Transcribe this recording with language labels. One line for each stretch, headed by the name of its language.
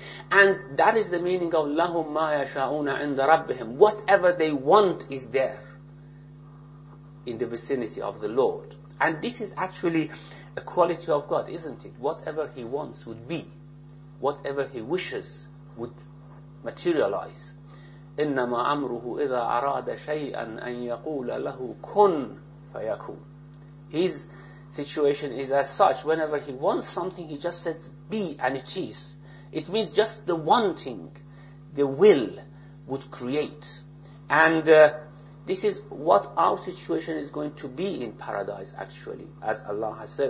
English: And that is the meaning of
Arabic: لَهُمْ مَا يَشَاءُونَ عِنْدَ رَبِّهِمْ
English: Whatever they want is there in the vicinity of the Lord. And this is actually a quality of God, isn't it? Whatever He wants would be. Whatever He wishes would materialize.
Arabic: إنما أمره إذا أراد شيئا أن يقول له كن فيكون.
English: His situation is as such. Whenever he wants something, he just says be and it is. It means just the wanting, the will would create. And this is what our situation is going to be in paradise actually, as Allah has said.